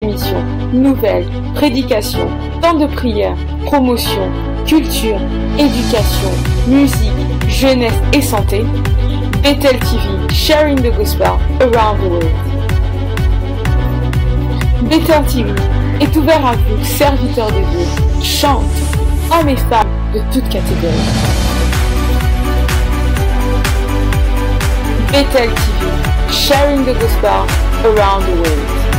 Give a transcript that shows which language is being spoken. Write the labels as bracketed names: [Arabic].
[French] émissions, nouvelles, prédications, temps de prière, promotion, culture, éducation, musique, jeunesse et santé. [English] Bethel TV, sharing the gospel around the world. [French] Bethel TV est ouvert à vous, serviteurs de Dieu, chantres, hommes et femmes de toutes catégories. [English] Bethel TV, sharing the gospel around the world.